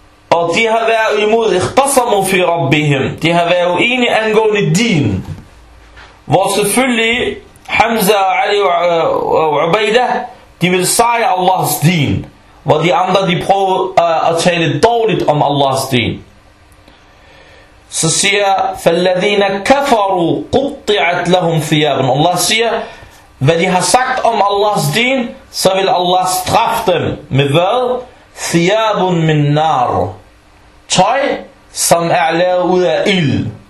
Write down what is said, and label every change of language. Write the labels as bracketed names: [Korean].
[Danish] Og de har været imod [Arabic] ikhtasamu fi Rabbihim. [Danish] De har været uenige angående din. Hvor selvfølgelig Hamza og Ali og Ubaidah, de vil sejre Allahs din. Hvor de andre, de prøver at tale dårligt om Allahs din. Så siger, [Arabic] فَالَّذِينَ كَفَرُوا قُطِعَتْ لَهُمْ ثِيَابًا. [Danish] Allah siger, hvad de har sagt om Allahs din, så vil Allah straffe dem med hvad? [Arabic] ثِيَابٌ مِنْ نَارُ. [Danish] Tøj, som er lavet ud af ild.